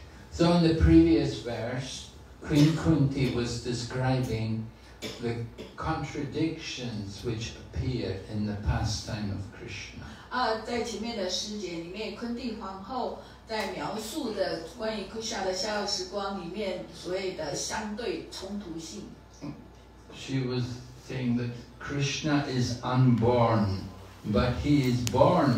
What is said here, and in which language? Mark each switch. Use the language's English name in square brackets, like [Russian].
[English] So in the previous verse, Queen Kunti was describing the contradictions which appear in the pastime of Krishna. [Chinese] 在前面的诗节里面，昆蒂皇后在描述的关于Kusha的逍遥时光里面所谓的相对冲突性。 [English] She was saying that Krishna is unborn, but he is born.